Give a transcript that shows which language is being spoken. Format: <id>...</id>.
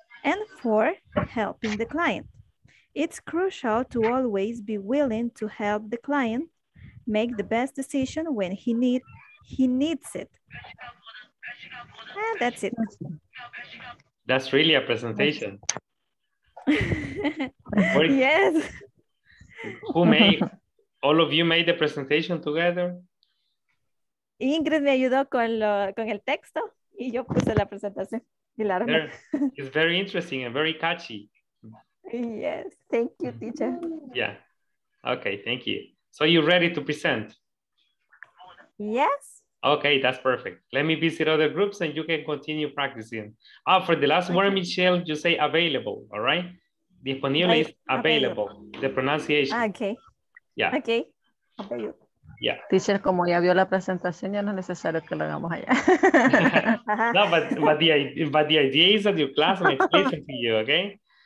<en>And four, helping the client. It's crucial to always be willing to help the client make the best decision when he needs it. And that's it. That's really a presentation. Yes. Who made, all of you made the presentation together?</en> <es>Ingrid me ayudó con el texto y yo puse la presentación.</es> <en>It's very interesting and very catchy. Yes, thank you, teacher. Yeah, okay, thank you. So you're ready to present? Yes. Okay, that's perfect. Let me visit other groups and you can continue practicing. For the last word, Michelle, you say available, all right? Disponible is available, the pronunciation. Okay. Yeah. Okay. Yeah.</en> <es>Teacher, como ya vio la presentación, ya no es necesario que lo hagamos allá.</es> <en>No, but the idea is that your classmate listen to you, okay?</en>